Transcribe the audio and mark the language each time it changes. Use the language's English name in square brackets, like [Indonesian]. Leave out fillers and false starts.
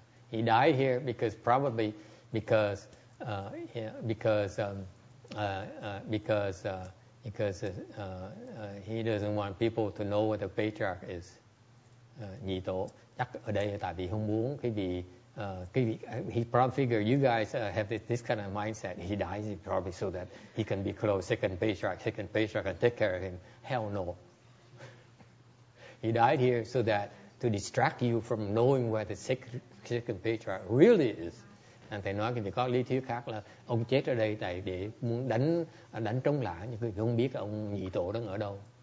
[English] He died here because he doesn't want people to know what the patriarch is. [Vietnamese] Nhị tổ. Chắc ở đây tại vì không muốn cái vị [English] he probably figured you guys have this kind of mindset. He dies probably so that he can be close, second patriarch can take care of him. Hell no. He died here so that to distract you from knowing where the second patriarch really is. [Vietnamese] And thầy nói thì có lý thuyết khác là ông chết ở đây tại để muốn đánh trống lã những người không biết ông nhị tổ đang ở đâu.